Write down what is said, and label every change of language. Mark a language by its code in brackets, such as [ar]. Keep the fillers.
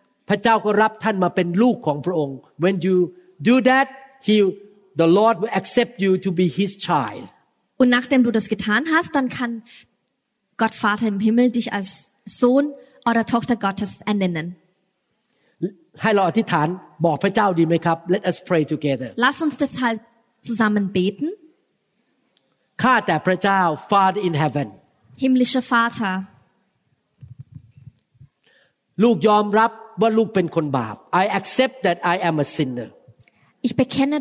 [th] พระเจ้าก็รับท่านมาเป็นลูกของพระองค์ [en] when you do that he the Lord will accept you to be his child [de] und nachdem du das getan hast dann kann Gott Vater im Himmel dich als Sohn oder Tochter Gottes ernennen [th] ให้เราอธิษฐานบอกพระเจ้าดีไหมครับ [en] let us pray together [de] lass uns deshalb zusammen beten [th] ข้าแต่พระเจ้า [en] Father in heaven [de] himmlischer Vater [th] ลูกยอมรับว่าลูกเป็นคนบาป [en] I accept that I am a sinner [de] Ich bekenne